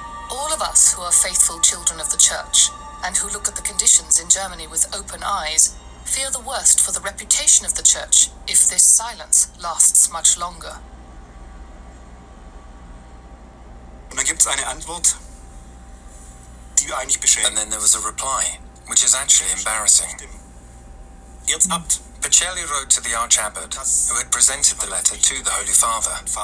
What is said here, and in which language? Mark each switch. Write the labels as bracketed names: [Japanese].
[English] all of us who are faithful children of the church and who look at the conditions in Germany with open eyes fear the worst for the reputation of the church if this silence lasts much longer. [German] Und da gibt's eine Antwort, die eigentlich beschämt. [English] And then there was a reply, which is actually embarrassing. [German] Erzabt. [English] Pacelli wrote to the Archabbot, who had presented the letter to the Holy Father.